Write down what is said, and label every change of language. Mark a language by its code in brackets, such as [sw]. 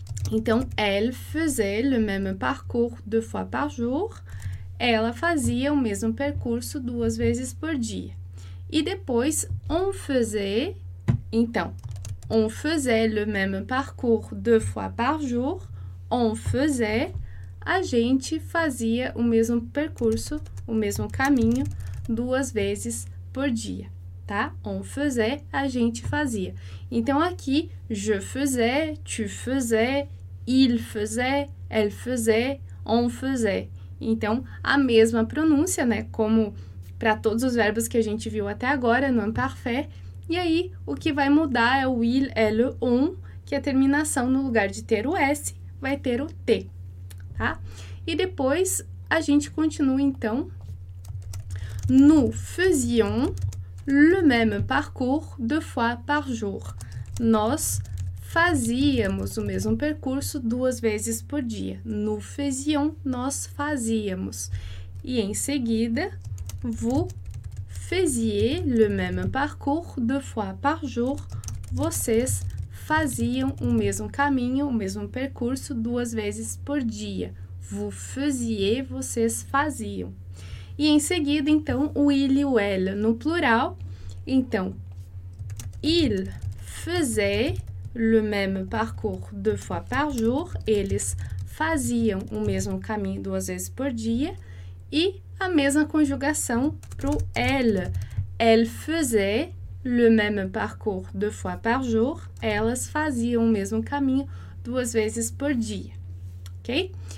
[pt] Então, [fr] elle faisait le même parcours deux fois par jour. [pt] Ela fazia o mesmo percurso duas vezes por dia. E depois, [fr] on faisait, [pt] então, [fr] on faisait le même parcours deux fois par jour. On faisait, [pt] a gente fazia o mesmo percurso, o mesmo caminho, duas vezes por dia, tá? [fr] On faisait, [pt] a gente fazia. Então, aqui, [fr] je faisais, tu faisais, il faisait, elle faisait, [pt] on faisait. Então, a mesma pronúncia, né? Como para todos os verbos que a gente viu até agora no imparfait. E aí, o que vai mudar é o il, elle, on, que a terminação, no lugar de ter o S, vai ter o T, tá? E depois a gente continua então. [fr] Nous faisions le même parcours deux fois par jour. [pt] Nós fazíamos o mesmo percurso duas vezes por dia. [fr] Nous faisions, [pt] nós fazíamos. E em seguida, [fr] vous faisiez le même parcours deux fois par jour. [pt] Vocês faziam o mesmo caminho, o mesmo percurso duas vezes por dia. [fr] Vous faisiez, [pt] vocês faziam. E em seguida, então, o il e o elle no plural. Então, [fr] il faisait le même parcours deux fois par jour. [pt] Eles faziam o mesmo caminho duas vezes por dia. E a mesma conjugação para o elle. [fr] Elle faisait le même parcours deux fois par jour. [pt] Elas faziam o mesmo caminho duas vezes por dia. Ok?